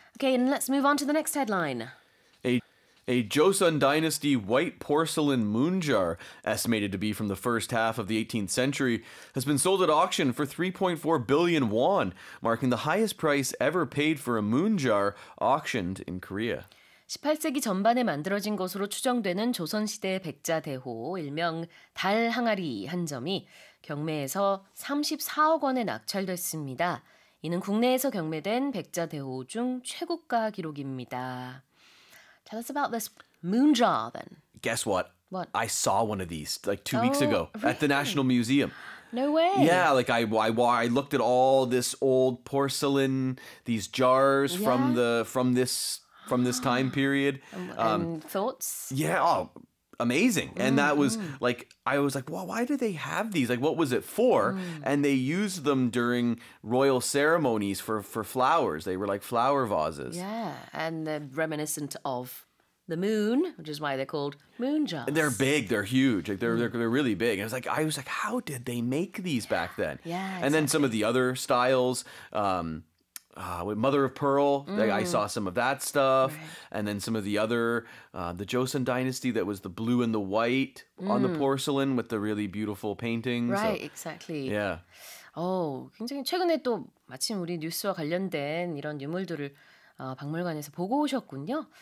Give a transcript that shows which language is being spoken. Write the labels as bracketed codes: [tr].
[en] Okay, and let's move on to the next headline. A Joseon Dynasty white porcelain moon jar, estimated to be from the first half of the 18th century, has been sold at auction for 3.4 billion won, marking the highest price ever paid for a moon jar auctioned in Korea. [ko] 18세기 전반에 만들어진 것으로 추정되는 조선시대 백자대호, 일명 달 항아리 한 점이 경매에서 34억 원에 낙찰됐습니다. 이는 국내에서 경매된 백자대호 중 최고가 기록입니다. [en] Tell us about this moon jar then. Guess what? What? I saw one of these like two weeks ago at the National Museum. No way. Yeah, like I looked at all this old porcelain, these jars from this time period. And thoughts? Yeah, amazing. And that was like, I was like, well, why do they have these? Like, what was it for? Mm. And they used them during royal ceremonies for flowers. They were like flower vases. Yeah, and they're reminiscent of the moon, which is why they're called moon jars. And they're big. They're huge. Like they're really big. And I was like, how did they make these back then? Yeah, exactly. And then some of the other styles, Mother of Pearl. I saw some of that stuff. Right. And then some of the other, the Joseon Dynasty, that was the blue and the white on the porcelain with the really beautiful paintings. Right, so, exactly. Yeah. [ko] 굉장히 최근에 또 마침 우리 뉴스와 관련된 이런 유물들을 박물관에서 보고 오셨군요.